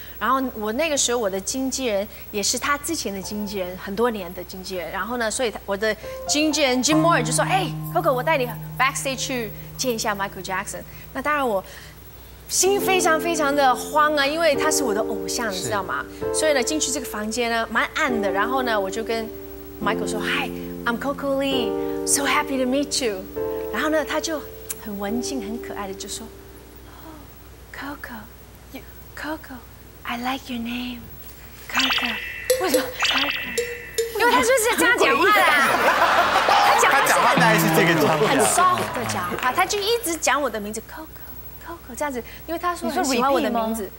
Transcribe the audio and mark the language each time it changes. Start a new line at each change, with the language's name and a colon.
Chinese: 然后我那个时候我的经纪人也是他之前的经纪人，很多年的经纪人。然后呢，所以我的经纪人 Jim Moore 就说：“哎 ，Coco， 我带你 backstage 去见一下 Michael Jackson。” 那当然我。心非常非常的慌啊，因为他是我的偶像，你知道吗？所以呢，进去这个房间呢，蛮暗的。然后呢，我就跟 Michael 说 ：
English: “Hi, I'm Coco Lee, so happy to meet you。”
Chinese: 然后呢，他就很文静、很可爱的就说 ：
English: “Coco, Coco, I like your name, Coco。”
Chinese: 为什么 ？Coco。因为他就是这样讲话啦，他讲话大概是这个腔，很 soft 的讲话，他就一直讲我的名字 Coco。这样子，因为他说很喜欢我的名字，